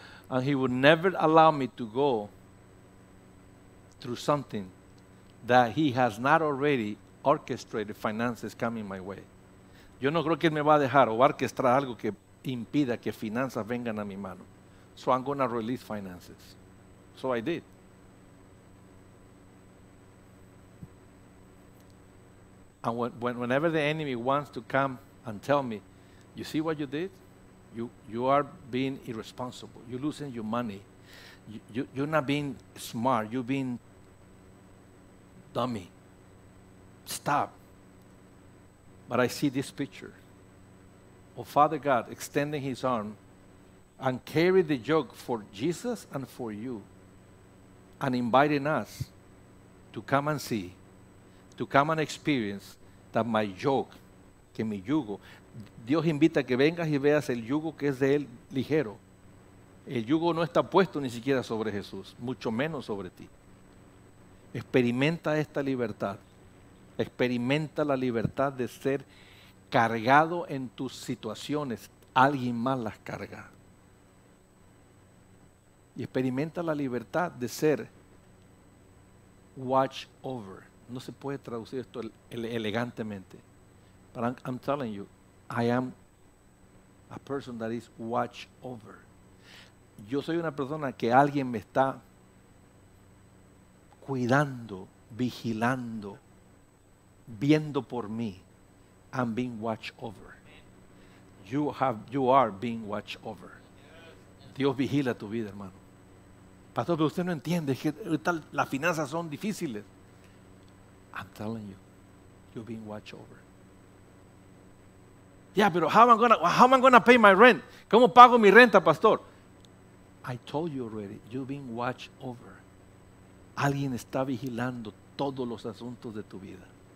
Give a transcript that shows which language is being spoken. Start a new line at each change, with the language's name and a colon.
English: And He would never allow me to go through something that He has not already orchestrated finances coming my way.
Spanish: Yo no creo que Él me va a dejar o va a orquestar algo que impida que finanzas vengan a mi mano.
English: So I'm going to release finances. So I did. And whenever the enemy wants to come and tell me, you see what you did? You are being irresponsible. You're losing your money. You're not being smart. You're being dummy. Stop. But I see this picture of Father God extending His arm and carrying the yoke for Jesus and for you and inviting us to come and see, to come and experience that my yoke,
Spanish: que mi yugo. Dios invita a que vengas y veas el yugo que es de Él ligero. El yugo no está puesto ni siquiera sobre Jesús, mucho menos sobre ti. Experimenta esta libertad. Experimenta la libertad de ser cargado en tus situaciones. Alguien más las carga. Y experimenta la libertad de ser
English: watch over.
Spanish: No se puede traducir esto elegantemente.
English: But I'm telling you, I am a person that is watch over.
Spanish: Yo soy una persona que alguien me está cuidando, vigilando, viendo por mí.
English: I'm being watch over. You are being watch over.
Spanish: Dios vigila tu vida, hermano. Pastor, pero usted no entiende, es que las finanzas son difíciles.
English: I'm telling you, you're being watched over. Yeah, pero how am I gonna pay my rent?
Spanish: ¿Cómo pago mi renta, pastor?
English: I told you already, you're being watched over.
Spanish: Alguien está vigilando todos los asuntos de tu vida.